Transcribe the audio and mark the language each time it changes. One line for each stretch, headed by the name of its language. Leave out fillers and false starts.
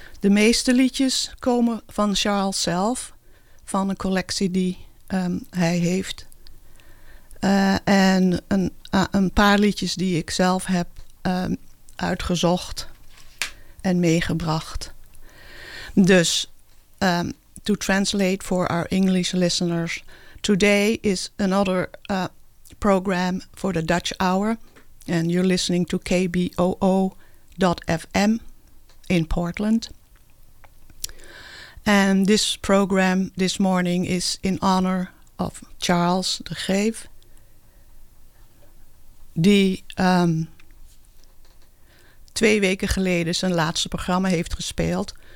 Dutch: De meeste liedjes komen van Charles zelf, van een collectie die hij heeft. En een paar liedjes die ik zelf heb uitgezocht en meegebracht.
English: Dus, to translate for our English listeners, today is another program for the Dutch Hour. And you're listening to KBOO.FM in Portland. And this program this morning is in honor of Charles de Greef,
Dutch: die 2 weken geleden zijn laatste programma heeft gespeeld.